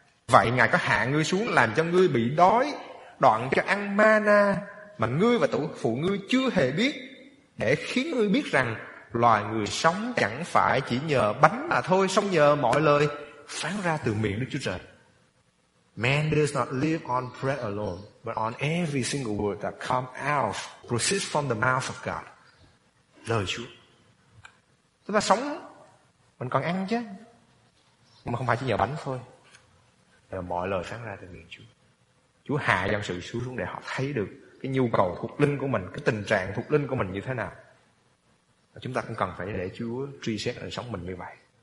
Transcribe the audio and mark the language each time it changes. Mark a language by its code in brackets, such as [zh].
[vi] Vậy Ngài có hạ ngươi xuống làm cho ngươi bị đói, đoạn cho ăn mana mà ngươi và tổ phụ ngươi chưa hề biết, để khiến ngươi biết rằng loài người sống chẳng phải chỉ nhờ bánh mà thôi, song nhờ mọi lời phán ra từ miệng Đức Chúa Trời. [en] Man does not live on bread alone, but on every single word that comes out, proceeds from the mouth of God. [vi] Lời Chúa. Chúng ta sống, mình còn ăn chứ. Nhưng mà không phải chỉ nhờ bánh thôi. Là mọi lời phán ra từ miệng Chúa. Chúa hạ dân sự xuống để họ thấy được cái nhu cầu thuộc linh của mình, cái tình trạng thuộc linh của mình như thế nào. Và chúng ta cũng cần phải để Chúa truy xét đời sống mình như vậy.